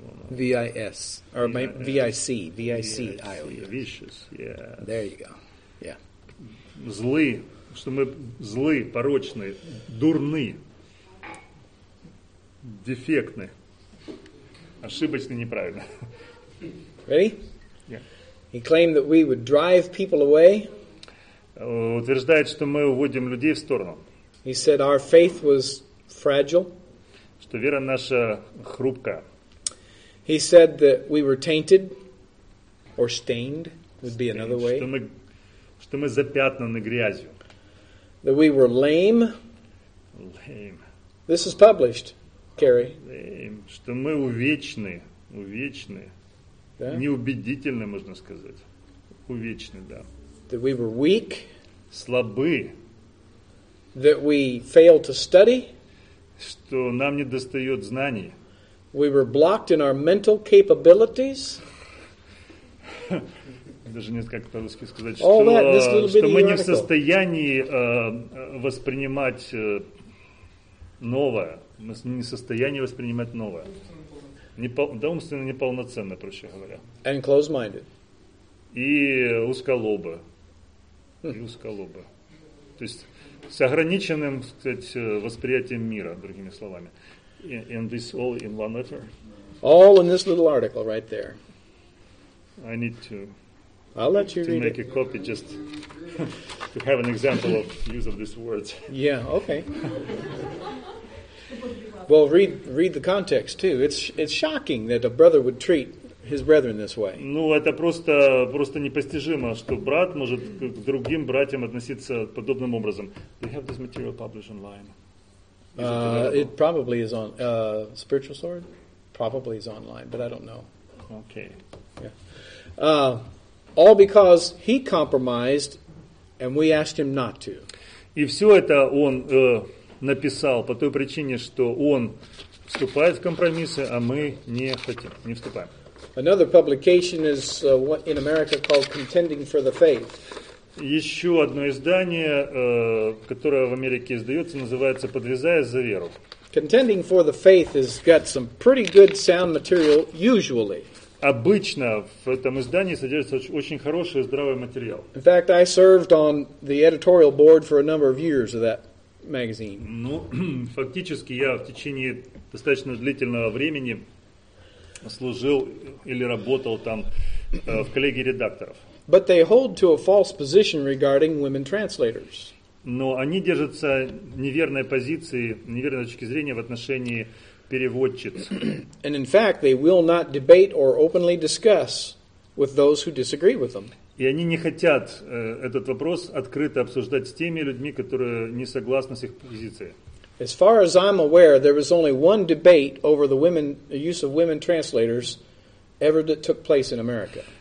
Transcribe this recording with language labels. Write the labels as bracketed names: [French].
[English] V-I-S. Or V-I-C. V-I-C-I-O-U. Vicious, yeah. There you go. Yeah. [Russian] Злы. Что мы злы, порочны, дурны, дефектны, ошибочны, неправильны. [English] Ready? Yeah. He claimed that we would drive people away. [Russian] Утверждает, что мы уводим людей в сторону. [English] He said our faith was fragile. [Russian] Что вера наша хрупкая. [English] He said that we were tainted or stained would be another way. [Russian] Что мы запятнаны грязью. [English] That we were lame. Lame. This is published, Kerry. [Russian] Lame. Что мы увечны. Увечны. Yeah. Неубедительны, можно сказать. Увечны, да. [English] That we were weak. [Russian] Слабы. [English] That we failed to study. [Russian] что нам не достает знаний. [English] We were blocked in our mental capabilities. [Russian] Даже нет, как по-русски сказать, all что, that, что мы theoretical. Не в состоянии воспринимать новое. Мы не в состоянии воспринимать новое. Умственно неполноценно, проще говоря. [English] And close-minded. [Russian] И узколобо. И узколобо. То есть с ограниченным, сказать, восприятием мира, другими словами. [English] In this all in one letter. All in this little article right there. I need to make a copy just to have an example of use of these words. Yeah, okay. Well, read the context too. It's shocking that a brother would treat his brethren this way. [Russian] Ну, это просто непостижимо, что брат может к другим братьям относиться подобным образом. [English] Do you have this material published online? It probably is on Spiritual Sword. Probably is online, but I don't know. Okay. Yeah. All because he compromised, and we asked him not to. [Russian] И все это он написал по той причине, что он вступает в компромиссы, а мы не хотим, не вступаем. [English] Another publication is in America called Contending for the Faith. [Russian] Еще одно издание, которое в Америке издается, называется «Подвязаясь за веру». [English] Contending for the Faith has got some pretty good sound material usually. [Russian] Обычно в этом издании содержится очень хороший и здравый материал. [English] In fact, I served on the editorial board for a number of years of that magazine. [Russian] Ну, фактически я в течение достаточно длительного времени служил или работал там в коллегии редакторов. [English] But they hold to a false position regarding women translators. [Russian] Но они держатся неверной позиции, неверной точки зрения в отношении переводчиц. [English] And in fact, they will not debate or openly discuss with those who disagree with them. [Russian] И они не хотят этот вопрос открыто обсуждать с теми людьми, которые не согласны с их позицией. [English] As far as I'm aware, there was only one debate over the use of women translators ever that took place in America.